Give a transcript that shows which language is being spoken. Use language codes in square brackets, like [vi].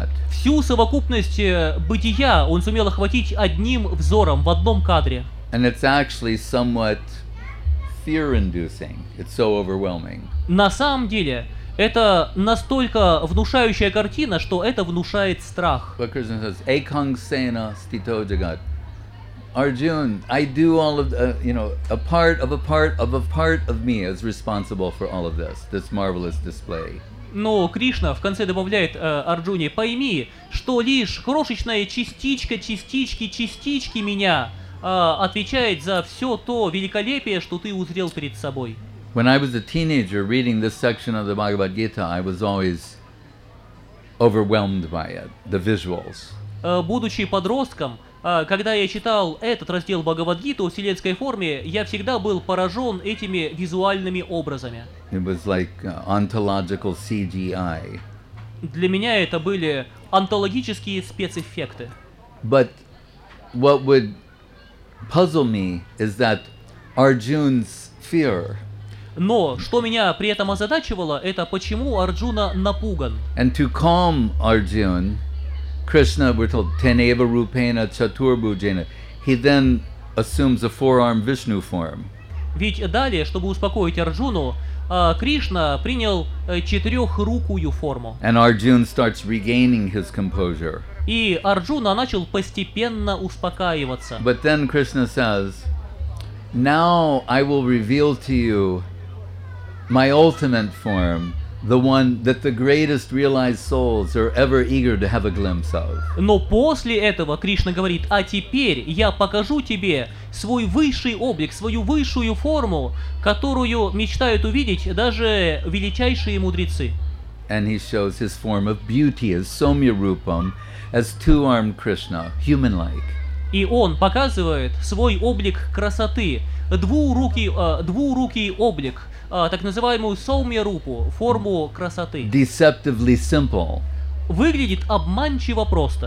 [ru] Всю совокупность бытия он сумел охватить одним взором, в одном кадре. [en] And it's actually somewhat fear-inducing. It's so overwhelming. [ru] На самом деле, это настолько внушающая картина, что это внушает страх. [en] But Krishna says, [sa] Ekang Sena Stito Jagat. [en] Arjun, I do all of, a part of a part of a part of me is responsible for all of this, this marvelous display. [ru] Но Кришна в конце добавляет Арджуне: «Пойми, что лишь крошечная частичка частички меня отвечает за все то великолепие, что ты узрел перед собой». [en] When I was a teenager reading this section of the Bhagavad Gita, I was always overwhelmed by it, the visuals. [ru] Будучи подростком, когда я читал этот раздел Бхагавад-гиты в вселенской форме, я всегда был поражен этими визуальными образами. [en] It was like ontological CGI. [ru] Для меня это были онтологические спецэффекты. [en] But what would puzzle me is that Arjuna's fear. [ru] Но что меня при этом озадачивало, это почему Арджуна напуган. [en] And to calm Arjuna, Krishna, we're told, [sa] Teneva Rupena Chaturbhu Jena. [en] He then assumes a four-armed Vishnu form. [ru] Ведь далее, чтобы успокоить Арджуну, Кришна принял четырехрукую форму. [en] And Arjuna starts regaining his composure. [ru] И Арджуна начал постепенно успокаиваться. [en] But then Krishna says, now I will reveal to you my ultimate form. The one that the greatest realized souls are ever eager to have a glimpse of. [ru] Но после этого Кришна говорит: а теперь я покажу тебе свой высший облик, свою высшую форму, которую мечтают увидеть даже величайшие мудрецы. [en] And he shows his form of beauty as Soumya Rupam, as two-armed Krishna, human-like. [ru] И он показывает свой облик красоты, двурукий облик, так называемую Soumya Rupa, форму красоты. [en] Deceptively simple. [ru] Выглядит обманчиво просто.